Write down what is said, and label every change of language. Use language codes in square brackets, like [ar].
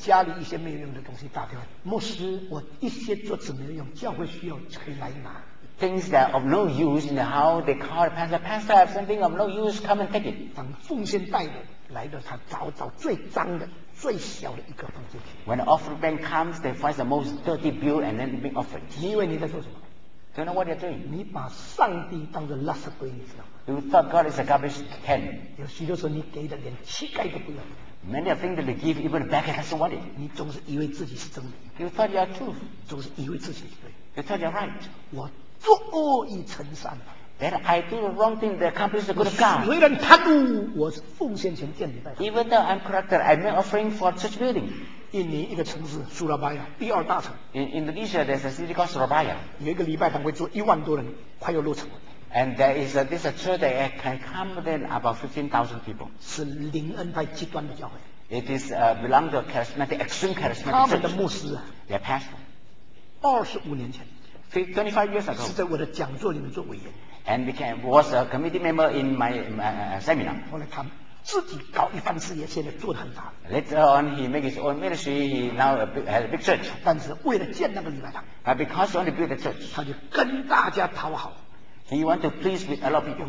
[zh] 家里一些没有用的东西打掉。牧师，我一些桌子没有用，教会需要可以来拿。 [en] Things that are of no use in the house, they call the pastor. Pastor, I have something of no use. Come and take it. [zh] 当奉献带的来的，他找找最脏的、最小的一个放进去。 [en] When the offering bank comes, they find the most dirty bill and then make offering. [zh] 你以为你在做什么？ [en] Do you know what you're doing? [zh] 你把上帝当作垃圾堆，你知道吗 [en] ？You thought God is a garbage can. [zh] 有许多时候，你给的连乞丐都不要。 [en] Many a thing that they give, even a beggar doesn't want it. [zh] 你总是以为自己是真理。 [en] You thought you are truth. [zh] 总是以为自己是对。 [en] You thought you're right. [zh] 我作恶已成善。 [en] That I do the wrong thing that accomplishes the good of God. [zh] 虽然贪污，我是奉献钱建礼拜堂。 [en] Even though I'm corrupted, I make offering for church building. [zh] 印尼一个城市苏拉巴亚，第二大城。 [en] In Indonesia, there's a city called Surabaya. [zh] 有一个礼拜堂会坐一万多人，快要落成。 [en] And there is a, this a church that can accommodate about 15,000 people. [zh] 是灵恩派极端的教会。 [en] It is belong to charismatic, extreme charismatic church. [zh] 他们的牧师啊 [en] ，their pastor. [zh] 25年前 [en] 25 years ago. [zh] 是在我的讲座里面做委员。 [en] And became was a committee member in my seminar. [zh] 后来他自己搞一番事业，现在做得很大。 [en] Later on, he made his own ministry. He now has a big church. [zh] 但是为了建那个礼拜堂 [en] ，but because he wanted to build the church, [zh] 他就跟大家讨好。 [en] He want to please with a lot of people.